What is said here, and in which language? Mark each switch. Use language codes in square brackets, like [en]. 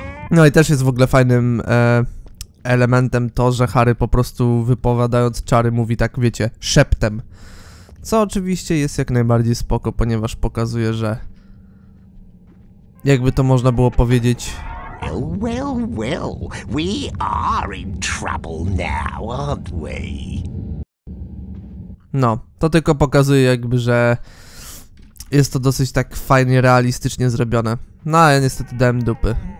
[pl] No i też jest w ogóle fajnym elementem to, że Harry po prostu wypowiadając czary mówi tak, wiecie, szeptem. Co oczywiście jest jak najbardziej spoko, ponieważ pokazuje, że jakby to można było powiedzieć. [en] Well, we are in trouble now, aren't we? [pl] No, to tylko pokazuje jakby, że jest to dosyć tak fajnie realistycznie zrobione. No, a ja niestety dałem dupy.